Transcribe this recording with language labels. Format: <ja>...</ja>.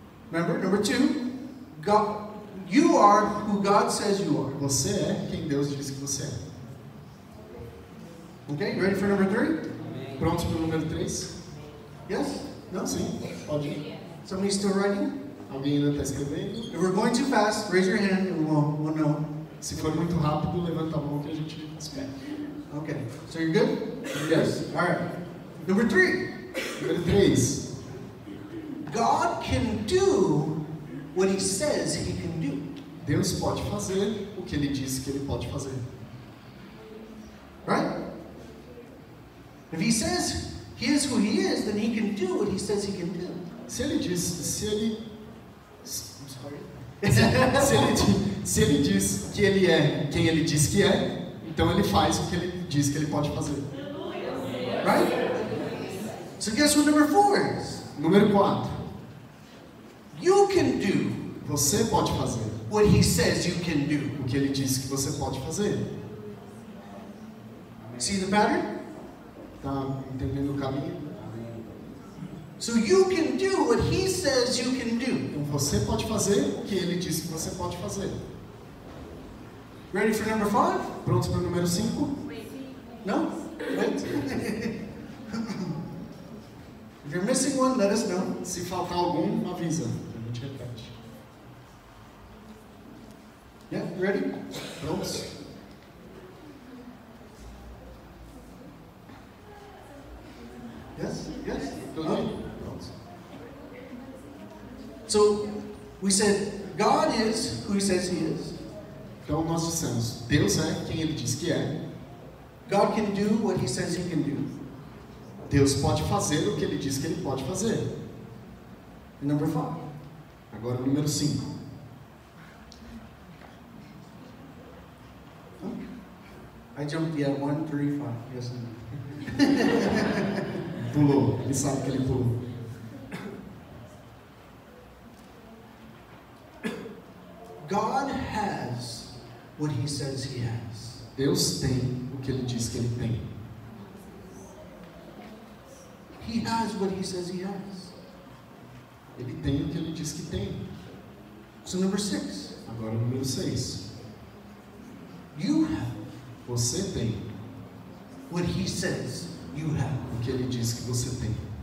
<en>Remember, number two, God, you are who God says you are.</en> <pt>Você é quem Deus diz que você é.</pt> <en>Okay, you ready for number three?</en> <pt>Amém. Pronto para o número três?</pt> <en>Yes? No?</en> <pt>Sim, pode ir.</pt> <en>Somebody still writing?</en> <pt>Alguém ainda está escrevendo?</pt> <en>If we're going too fast, raise your hand and we'll know.</en> <pt>Se for muito rápido, levanta a mão que a gente espera.</pt> <en>Okay, so you're good? Yes. All right. Number three.</en> <pt>Número três.</pt> <en>God can do what He says He can do.</en> <pt>Deus pode fazer o que Ele diz que Ele pode fazer.</pt> <en>Right? If He says He is who He is, then He can do what He says He can do.</en> <pt>Se Ele diz, se Ele...</pt> <en>I'm sorry.</en> <pt>se ele diz que Ele é quem Ele diz que é, então Ele faz o que Ele diz que Ele pode fazer.</pt> <en>Right? So guess what number four is?</en> <pt>Número quatro.</pt> <en>You can do.</en> <pt>Você pode fazer.</pt> <en>What He says you can do.</en> <pt>O que Ele diz que você pode fazer.</pt> <en>See the pattern?</en> <pt>Tá entendendo o caminho?</pt> <en>So you can do what He says you can do.</en> <pt>Então você pode fazer o que Ele diz que você pode fazer.</pt> <en>Ready for number five?</en> <pt>Pronto para o número cinco?</pt> <en>No? Wait. If you're missing one, let us know.</en> <pt>Se faltar algum, avisa. A gente repete.</pt> <en>Yeah, you ready?</en> <pt>Vamos.</pt> <en>Yes? Yes?</en> <pt>Tudo bem? Vamos.</pt> <en>So, we said, God is who He says He is.</en> <pt>Então nós dissemos, Deus é quem Ele diz que é.</pt> <en>God can do what He says He can do.</en> <pt>Deus pode fazer o que Ele diz que Ele pode fazer.</pt> <en>Number five.</en> <pt>Agora o número 5.</pt> <en>I jumped, yeah, 1, 3, 5. Yes, I know.</en> <pt>Pulou, ele sabe que ele pulou.</pt> <en>God has what He says He has.</en> <pt>Deus tem o que Ele diz que Ele tem.</pt> <en>He has what He says He has.</en> <pt>Ele tem o que Ele diz que tem.</pt> <en>So number six.</en> <pt>Agora número seis.</pt> <en>You have.</en> <pt>Você tem.</pt> <en>What He says you have.</en> <pt>O que Ele diz que você tem.</pt>